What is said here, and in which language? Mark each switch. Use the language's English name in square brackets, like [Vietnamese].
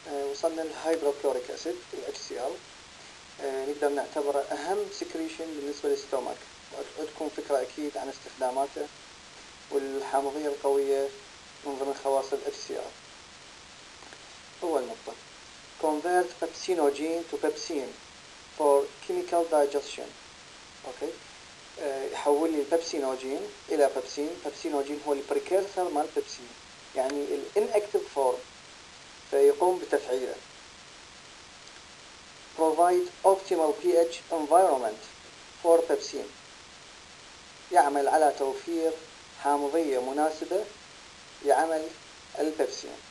[Arabic] وصلنا للهايدروكلوريك اسيد الاتش سي ال، نقدر نعتبره اهم سكريشن بالنسبه للستومك. عندكم فكره اكيد عن استخداماته والحامضيه القويه من ضمن خواص الاتش سي ال. اول نقطه، [English] convert pepsinogen to pepsin for chemical digestion. [Arabic] اوكي، يحول لي البيبسينوجين الى بيبسين. البيبسينوجين هو البريكيرسر مال بيبسين، يعني الانكتيف فورم، فيقوم بتفعيله. [English] Provide optimal pH environment for pepsin، [Arabic] يعمل على توفير حامضيه مناسبه يعمل البيبسين.